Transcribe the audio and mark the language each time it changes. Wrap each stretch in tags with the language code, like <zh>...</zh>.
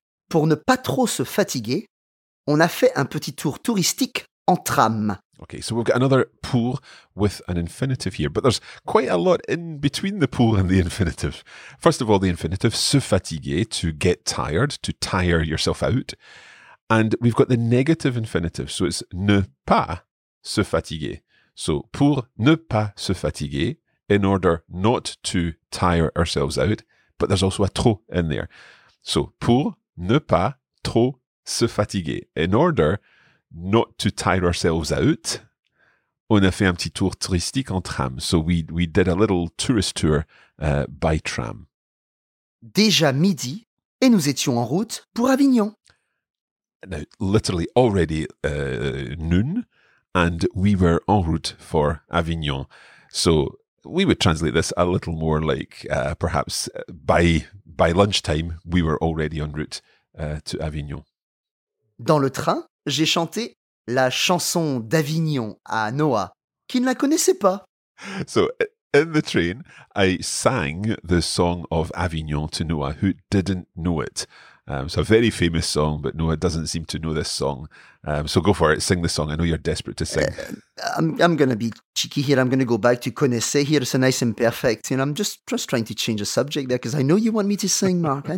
<fr>Pour ne pas trop se fatiguer, on a fait un petit tour touristique en tram.</fr> <en>Okay, so we've got another pour with an infinitive here, but there's quite a lot in between the pour and the infinitive. First of all, the infinitive,</en> <fr>se fatiguer,</fr> <en>to get tired, to tire yourself out. And we've got the negative infinitive, so it's</en> <fr>ne pas se fatiguer.</fr> <en>So</en> <fr>pour ne pas se fatiguer,</fr> <en>in order not to tire ourselves out, but there's also a trop in there. So</en> <fr>pour ne pas trop se fatiguer,</fr> <en>in order... not to tire ourselves out,</en> <fr>on a fait un petit tour touristique en tram.</fr> <en>So we did a little tourist tour by tram.</en> <fr>Déjà midi, et nous étions en route pour Avignon.</fr> <en>Now, literally already noon, and we were en route for Avignon. So we would translate this a little more like perhaps by lunchtime, we were already en route to Avignon.</en> <fr>Dans le train, j'ai chanté la chanson d'Avignon à Noah, qui ne la connaissait pas.</fr> <en>So, in the train, I sang the song of Avignon to Noah, who didn't know it. So, a very famous song, but Noah doesn't seem to know this song. So, go for it. Sing the song. I know you're desperate to sing. I'm going to be cheeky here. I'm going to go back to connaissez here. It's a nice imperfect. You know, I'm just trying to change the subject there, because I know you want me to sing, Mark.</en>